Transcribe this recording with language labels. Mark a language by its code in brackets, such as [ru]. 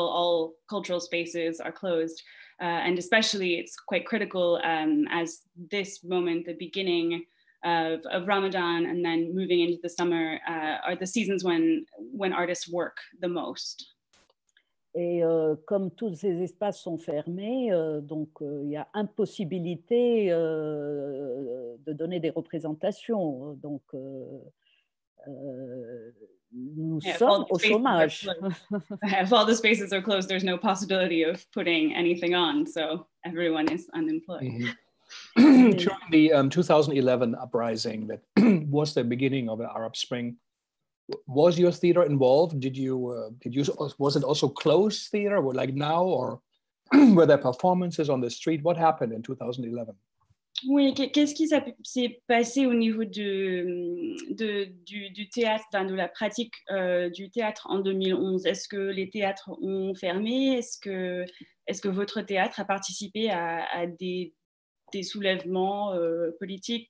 [en] All cultural spaces are closed, and especially it's quite critical as this moment, the beginning of Ramadan and then moving into the summer, are the seasons when artists work the most. [fr] Et comme tous ces espaces sont fermés, donc il y a impossibilité de donner des représentations. Donc nous sommes au chômage. [en] If all the spaces are closed, there's no possibility of putting anything on. So everyone is unemployed. Mm-hmm. During the 2011 uprising, that was the beginning of the Arab Spring. Was your theater involved? Was it also closed theater, like now, or were there performances on the street? What happened in 2011? [fr] Oui, qu'est-ce qui s'est passé au niveau du théâtre, de la pratique du théâtre en 2011? Est-ce que les théâtres ont fermé? Est-ce que votre théâtre a participé à des soulèvements politiques?